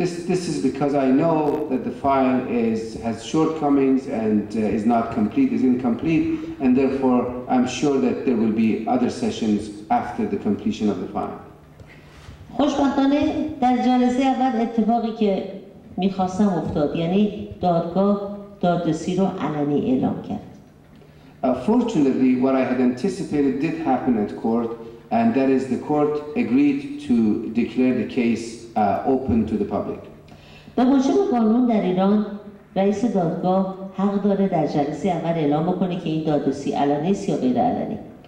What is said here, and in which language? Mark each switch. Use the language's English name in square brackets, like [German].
[English] This is because I know that the file has shortcomings and is not complete, is incomplete, and therefore I'm sure that there will be other sessions after the completion of the file. [Persian] خوشبختانه در جلسه اول اتفاقی که می‌خواستم افتاد، یعنی دادگاه دادرسی رو علنی اعلام کرد. [English] Fortunately, what I had anticipated did happen at court, and that is the court agreed to declare the case open to the public. [Persian] به موجب قانون در ایران رئیس دادگاه حق داره در جلسه اول اعلام کنه که این دادرسی علنی است یا غیر علنی.